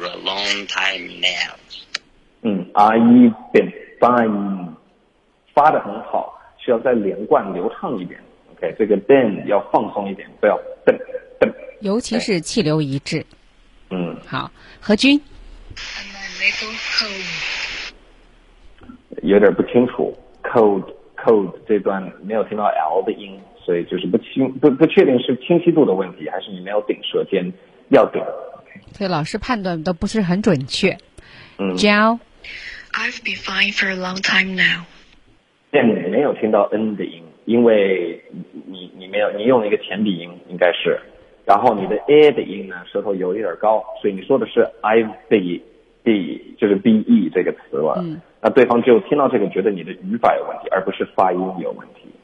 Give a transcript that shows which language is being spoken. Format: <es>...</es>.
<en>I've been fine for a long time now. I've been fine.</en> <zh>发得很好，需要再连贯流畅一点。 OK， 这个 been 要放松一点，不要 been。尤其是气流一致。好，何军。</zh> <en>I'm a little cold.</en> <zh>有点不清楚 ，cold 这段没有听到 L 的音，所以就是不确定是清晰度的问题，还是你没有顶舌尖。要顶，所以老师判断都不是很准确。</zh> <en>I've been fine for a long time now.</en> <zh>但你没有听到 N 的音，因为你没有，你用了一个前鼻音，应该是。然后你的 A 的音呢，舌头有一点高，所以你说的是 I've been， 就是 be 这个词了。那对方就听到这个，觉得你的语法有问题，而不是发音有问题。</zh>